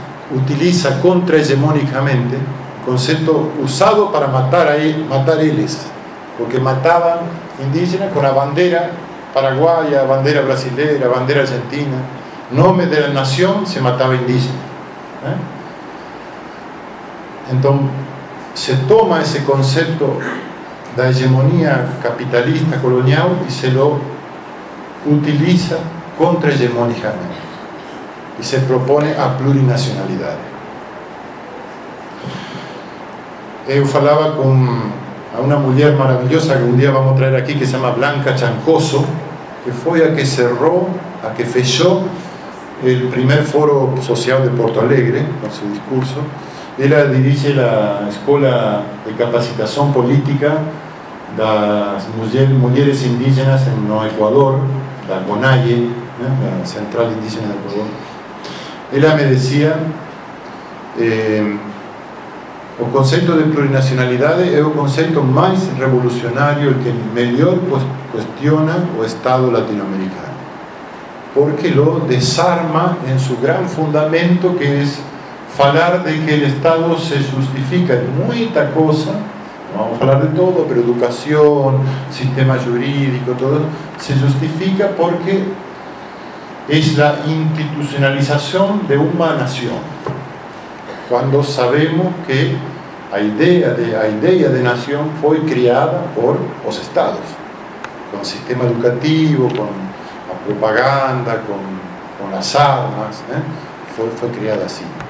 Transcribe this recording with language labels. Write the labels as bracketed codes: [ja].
[es] utiliza contrahegemónicamente, concepto usado para matar ellos, porque mataban indígenas con la bandera paraguaya, bandera brasileña, bandera argentina, nombre de la nación se mataba indígena. Entonces se toma ese concepto de la hegemonía capitalista colonial y se lo utiliza contrahegemónicamente y se propone a plurinacionalidad. Yo hablaba con una mujer maravillosa que un día vamos a traer aquí, que se llama Blanca Chancoso, que fue a que cerró, a que fechó el primer foro social de Porto Alegre con su discurso. Ella dirige la Escuela de Capacitación Política de las Mujeres Indígenas en Ecuador, la CONAIE, la Central Indígena de Ecuador. Ella me decía [pt] O conceito de plurinacionalidade é o conceito mais revolucionário, que melhor questiona o Estado latino-americano, porque [es] lo desarma [pt] em seu grande fundamento, que é falar de que o Estado se justifica em muita coisa. Vamos falar de todo, [es] pero educación, sistema jurídico, todo, se justifica porque es la institucionalización de una nación. Cuando sabemos que la idea de nación fue creada por los estados, con el sistema educativo, con la propaganda, con las armas, fue creada así.